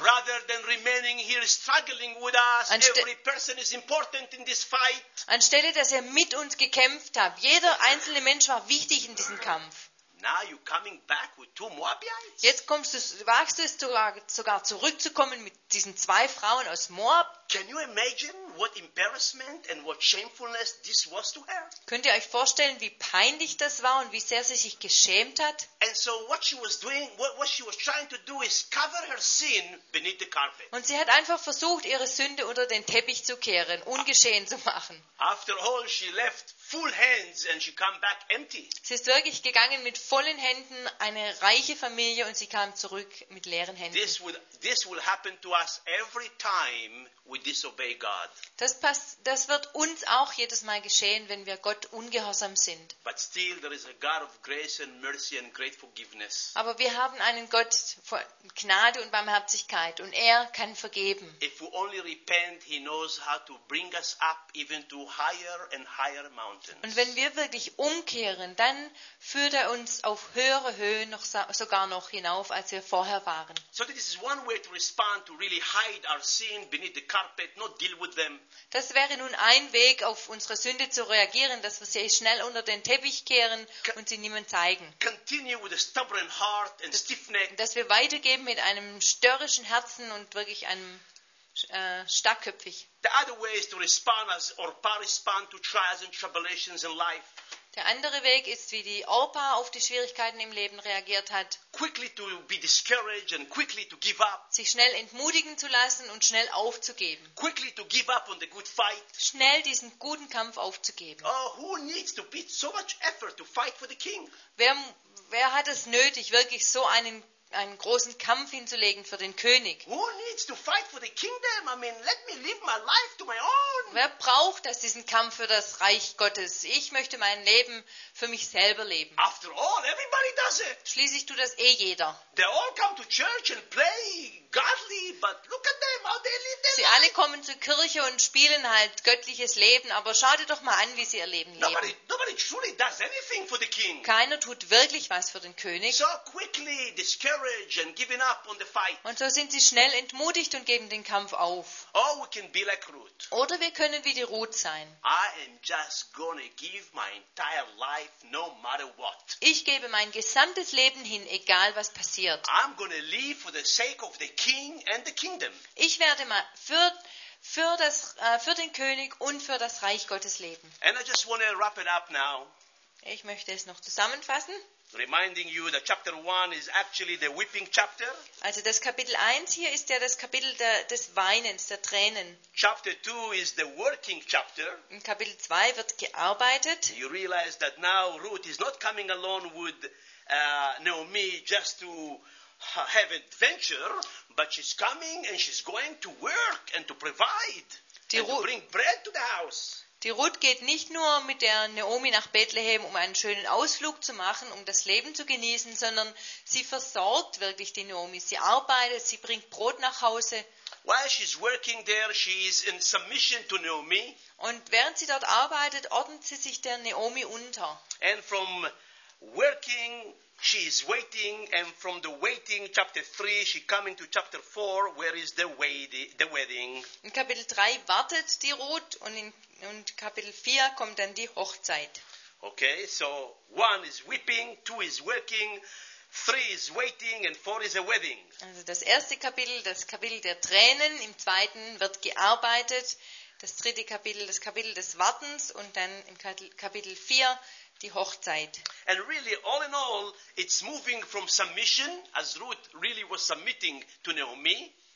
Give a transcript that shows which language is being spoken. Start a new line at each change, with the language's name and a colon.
English: Rather than remaining here struggling with us, every person is important in this fight.
German: Anstelle, dass ihr mit uns gekämpft habt. Jeder einzelne Mensch war wichtig in diesem Kampf.
English: Now you're coming back with two Moabites?
German: Jetzt kommst du, wagst du es sogar zurückzukommen mit diesen zwei Frauen aus Moab?
English: Can you imagine what embarrassment and what shamefulness this was to her?
German: Könnt ihr euch vorstellen, wie peinlich das war und wie sehr sie sich geschämt hat?
English: And so what she was doing, what she was trying to do is cover her sin beneath the carpet.
German: Und sie hat einfach versucht, ihre Sünde unter den Teppich zu kehren, ungeschehen zu machen.
English: After all, she left full hands and she came back empty.
German: Sie ist wirklich gegangen mit vollen Händen, eine reiche Familie, und sie kam zurück mit leeren Händen.
English: This will happen to us every time we disobey God.
German: Das wird uns auch jedes Mal geschehen, wenn wir Gott ungehorsam sind.
English: But still there is a God of grace and mercy and great forgiveness.
German: Aber wir haben einen Gott von Gnade und Barmherzigkeit, und er kann vergeben.
English: If we only repent, he knows how to bring us up even to higher and higher mountains.
German: Und wenn wir wirklich umkehren, dann führt er uns auf höhere Höhen, noch sogar noch hinauf, als wir vorher waren.
English: So this is one way to respond, to really hide our sin beneath the carpet, not deal with them.
German: Das wäre nun ein Weg, auf unsere Sünde zu reagieren, dass wir sie schnell unter den Teppich kehren und sie niemand zeigen.
English: Continue with a stubborn heart and stiff neck.
German: Dass wir weitergeben mit einem störrischen Herzen und wirklich einem starrköpfig.
English: The other way is to respond as Orpah respond to trials and tribulations in life.
German: Der andere Weg ist, wie die Orpa auf die Schwierigkeiten im Leben reagiert hat.
English: Quickly to be discouraged and quickly to give up.
German: Sich schnell entmutigen zu lassen und schnell aufzugeben.
English: Quickly to give up on the good fight.
German: Schnell diesen guten Kampf aufzugeben.
English: Oh, who needs to put so much effort to fight for the king?
German: Wer hat es nötig, wirklich so einen großen Kampf hinzulegen für den König?
English: Who needs to fight for the kingdom? I mean, let me live my life to my own.
German: Wer braucht das, diesen Kampf für das Reich Gottes? Ich möchte mein Leben für mich selber leben.
English: After all, everybody does it.
German: Schließlich tut das eh jeder.
English: They all come to church and play godly, but look at them, how they live their life.
German: Sie alle kommen zur Kirche und spielen halt göttliches Leben, aber schau dir doch mal an, wie sie ihr Leben leben.
English: Nobody truly does anything for the king.
German: Keiner tut wirklich was für den König.
English: So quickly discouraged and giving up on the fight.
German: Und so sind sie schnell entmutigt und geben den Kampf auf.
English: Oh, we can be like Ruth.
German: Oder wir können wie die Ruth sein.
English: I am just gonna give my entire life, no matter what.
German: Ich gebe mein gesamtes Leben hin, egal was passiert.
English: I'm gonna live for the sake of the King and the kingdom.
German: Ich werde mal für den König und für das Reich Gottes leben.
English: And I just want to wrap it up now.
German: Ich möchte es noch zusammenfassen.
English: Reminding you that chapter 1 is actually the weeping chapter.
German: Also das Kapitel 1 hier ist ja das Kapitel des Weinens, der Tränen.
English: Chapter 2 is the working chapter.
German: In Kapitel 2 wird gearbeitet.
English: You realize that now Ruth is not coming alone with Naomi just to have adventure, but she's coming and she's going to work and to provide and to bring bread to the house.
German: Die Ruth geht nicht nur mit der Naomi nach Bethlehem, um einen schönen Ausflug zu machen, um das Leben zu genießen, sondern sie versorgt wirklich die Naomi. Sie arbeitet, sie bringt Brot nach Hause.
English: While she's working there, she is in submission to Naomi.
German: Und während sie dort arbeitet, ordnet sie sich der Naomi unter.
English: And from working, she is waiting, and from the waiting, chapter 3, she coming to chapter 4, where is the wedding.
German: In Kapitel 3 wartet die Ruth und in Kapitel 4 kommt dann die Hochzeit.
English: Okay, so one is weeping, two is working, three is waiting, and four is a wedding.
German: Also das erste Kapitel, das Kapitel der Tränen, im zweiten wird gearbeitet, das dritte Kapitel, das Kapitel des Wartens und dann im Kapitel 4 die Hochzeit.
English: And really, all in all, it's moving from submission, as Ruth really was submitting to Naomi.